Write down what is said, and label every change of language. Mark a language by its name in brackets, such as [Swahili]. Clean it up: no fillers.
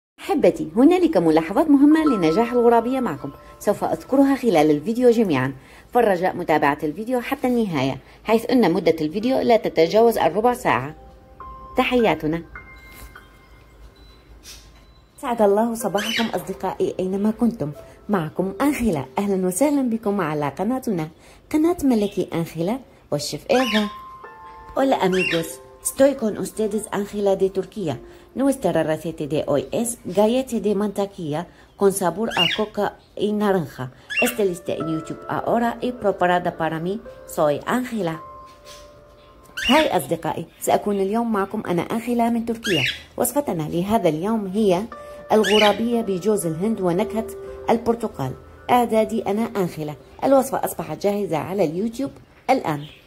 [Arabic] أحبتي، هنالك ملاحظات مهمة لنجاح الغرابية معكم سوف أذكرها خلال الفيديو جميعا، فالرجاء متابعة الفيديو حتى النهاية حيث أن مدة الفيديو لا تتجاوز الربع ساعة. تحياتنا. سعد الله صباحكم أصدقائي أينما كنتم، معكم أنخيلا، أهلا وسهلا بكم على قناتنا، قناة ملكي أنخيلا والشيف إيفا. [Spanish] أولا أميغوس، Estoy con ustedes Ángela de Turquía. Nuestra receta de hoy es galletas de mantequilla con sabor a coca y naranja. Está lista en YouTube ahora y preparada para mí. Soy Ángela. [Arabic] هاي أصدقائي، سأكون اليوم معكم أنا أنخيلا من تركيا. وصفتنا لهذا اليوم هي الغرابية بجوز الهند ونكهة البرتقال. إعدادي أنا أنخيلا. الوصفة أصبحت جاهزة على اليوتيوب الآن.